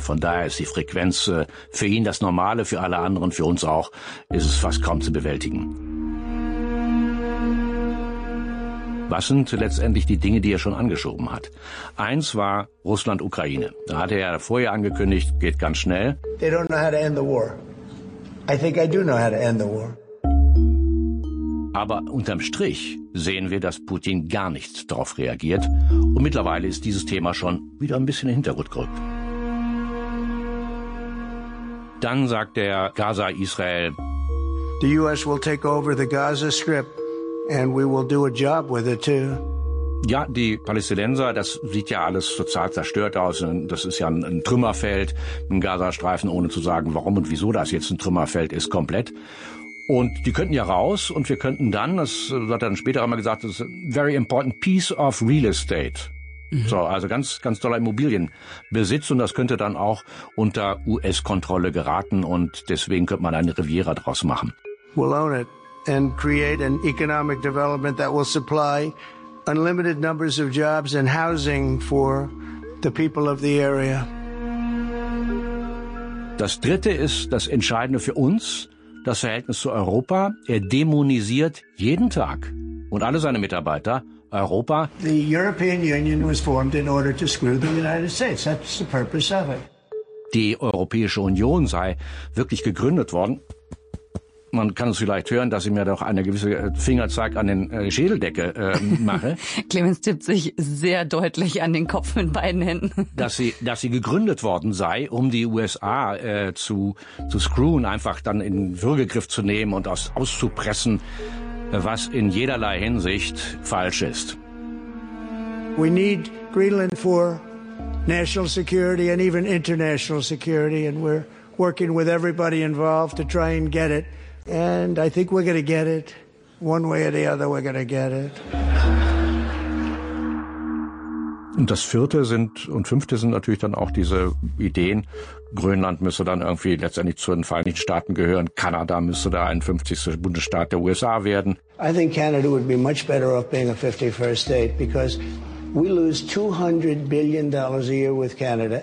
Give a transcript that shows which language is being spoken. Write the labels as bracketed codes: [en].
[de] Von daher ist die Frequenz für ihn das Normale, für alle anderen, für uns auch, ist es fast kaum zu bewältigen. Was sind letztendlich die Dinge, die er schon angeschoben hat? Eins war Russland-Ukraine. Da hatte er vorher angekündigt, geht ganz schnell. [en] They don't know how to end the war. I think I do know how to end the war. [de] Aber unterm Strich sehen wir, dass Putin gar nicht darauf reagiert. Und mittlerweile ist dieses Thema schon wieder ein bisschen in den Hintergrund gerückt. Dann sagt der Gaza Israel. [en] The US will take over the Gaza Strip and we will do a job with it too. [de] Ja, die Palästinenser, das sieht ja alles total zerstört aus. Das ist ja ein Trümmerfeld, ein Gazastreifen, ohne zu sagen, warum und wieso das jetzt ein Trümmerfeld ist, komplett. Und die könnten ja raus und wir könnten dann, das hat er dann später einmal gesagt, das ist [en] a very important piece of real estate. [de] Mhm. So, also ganz, ganz toller Immobilienbesitz und das könnte dann auch unter US-Kontrolle geraten und deswegen könnte man eine Riviera draus machen. [en] We'll own it and create an economic development that will supply unlimited numbers of jobs and housing for the people of the area. [de] Das dritte ist das Entscheidende für uns. Das Verhältnis zu Europa, er dämonisiert jeden Tag und alle seine Mitarbeiter Europa. [en] The European Union was formed in order to screw the United States. That's the purpose of it. [de] Die Europäische Union sei wirklich gegründet worden. Man kann es vielleicht hören, dass ich mir doch eine gewisse Fingerzeig an den Schädeldecke mache. Clemens tippt sich sehr deutlich an den Kopf mit beiden Händen. Dass sie gegründet worden sei, um die USA zu screwen, einfach dann in Würgegriff zu nehmen und auszupressen, was in jederlei Hinsicht falsch ist. [en] We need Greenland for national security and even international security and we're working with everybody involved to try and get it. And I think we're gonna get it. One way or the other, we're gonna get it. [de] Und das vierte sind, und fünfte sind natürlich dann auch diese Ideen. Grönland müsse dann irgendwie letztendlich zu den Vereinigten Staaten gehören. Kanada müsse der 51. Bundesstaat der USA werden. [en] I think Canada would be much better off being a 51st state because we lose $200 billion a year with Canada.